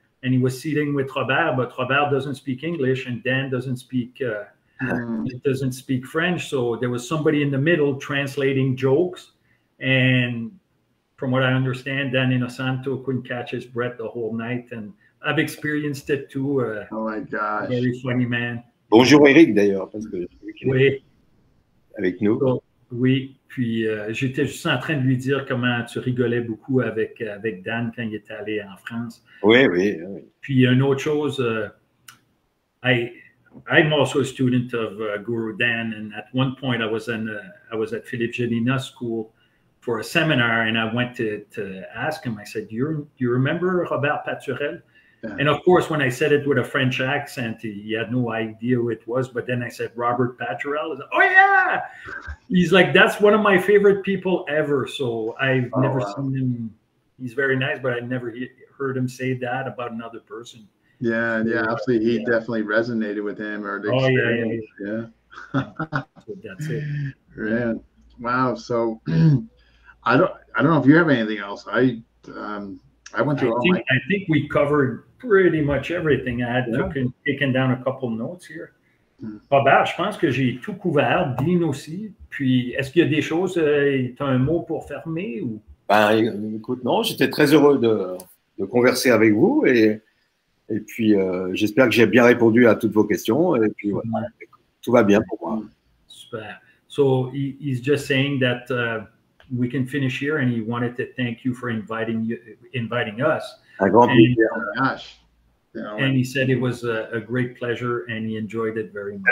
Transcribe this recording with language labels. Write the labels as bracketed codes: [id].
[en] and he was sitting with Robert, but Robert doesn't speak English and Dan doesn't speak doesn't speak French. So there was somebody in the middle translating jokes. And from what I understand, Dan Inosanto couldn't catch his breath the whole night. And I've experienced it too. Oh my gosh. Very funny man. [fr] Bonjour Eric d'ailleurs, parce que oui. Avec nous. So, oui. Puis j'étais juste en train de lui dire comment tu rigolais beaucoup avec, avec Dan quand il était allé en France. Oui, oui, oui. Puis une autre chose, [en] I'm also a student of Guru Dan, and at one point I was at Philippe Janina school for a seminar, and I went to ask him. I said, do you remember Robert Paturel? Yeah. And of course, when I said it with a French accent, he had no idea who it was. But then I said, Robert Paturel? Said, oh, yeah. He's like, that's one of my favorite people ever. So I've never seen him. He's very nice, but I never heard him say that about another person. Yeah, yeah, absolutely. He definitely resonated with him. Or the experience. That's it. Yeah. Wow. So I don't know if you have anything else. I think we covered pretty much everything. I had taken down a couple notes here. [fr] Robert, je pense que j'ai tout couvert. Dean aussi. Puis est-ce qu'il y a des choses? T'as un mot pour fermer ou? Ben, écoute, non. J'étais très heureux de converser avec vous et. Et puis, j'espère que j'ai bien répondu à toutes vos questions. Et puis, tout va bien pour moi. Super. [en] So, he's just saying that we can finish here. And he wanted to thank you for inviting us. [fr] Un grand plaisir. [en] And he said it was a great pleasure and he enjoyed it very much.